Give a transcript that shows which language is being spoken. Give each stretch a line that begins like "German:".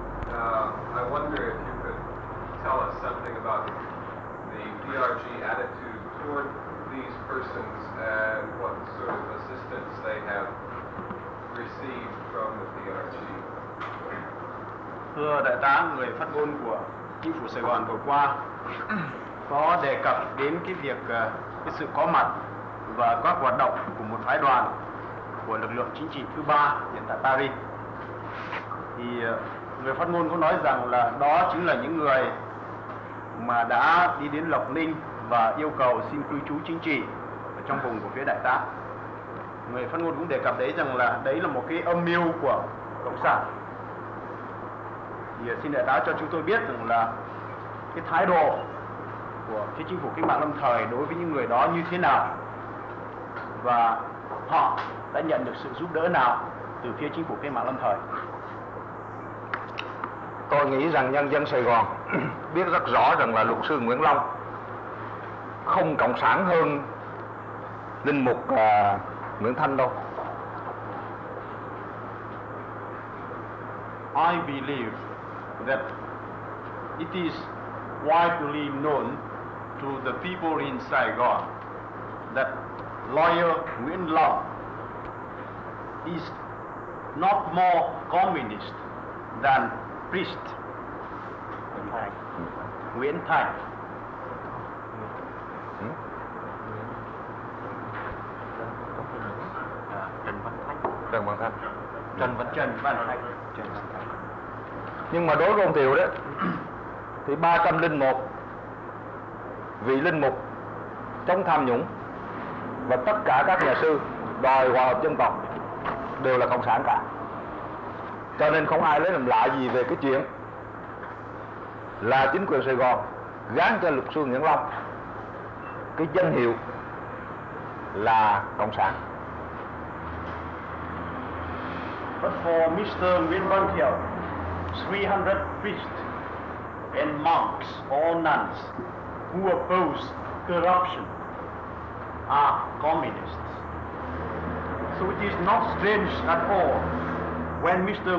English: I wonder if you could tell us something about the PRG attitude toward these persons and what sort of assistance they have received from the PRG.
Vietnamese: Thưa đại tá, người phát ngôn của chính phủ Sài Gòn vừa qua có đề cập đến cái việc cái sự có mặt và các hoạt động của một phái đoàn của lực lượng chính trị thứ ba hiện tại Paris. Thì người phát ngôn có nói rằng là đó chính là những người mà đã đi đến Lộc Ninh và yêu cầu xin cư trú chính trị ở trong vùng của phía đại tá. Người phát ngôn cũng đề cập đấy rằng là đấy là một cái âm mưu của cộng sản. Thì xin đại tá cho chúng tôi biết rằng là cái thái độ của phía chính phủ cách mạng lâm thời đối với những người đó như thế nào và họ đã nhận được sự giúp đỡ nào từ phía chính phủ cách mạng lâm thời. Tôi nghĩ rằng nhân dân Sài Gòn biết rất rõ rằng là luật sư Nguyễn Long không cộng sản hơn linh mục Nguyễn Thanh đâu.
English: I believe that it is widely known to the people in Saigon that lawyer Nguyễn Long is not more communist than priest Nguyễn Thanh.
Vietnamese: Trần Văn Thanh. Nhưng mà đối với ông Thiều đó thì 301 vị linh mục chống tham nhũng và tất cả các nhà sư đòi hòa hợp dân tộc đều là cộng sản cả. Cho nên không ai lấy làm lạ gì về cái chuyện là chính quyền Sài Gòn gán cho luật sư Nguyễn Long cái danh hiệu là cộng sản.
English: But for Mr. Nguyễn Văn Thiều, 300 priests and monks or nuns who oppose corruption are communists. So it is not strange at all when Mr.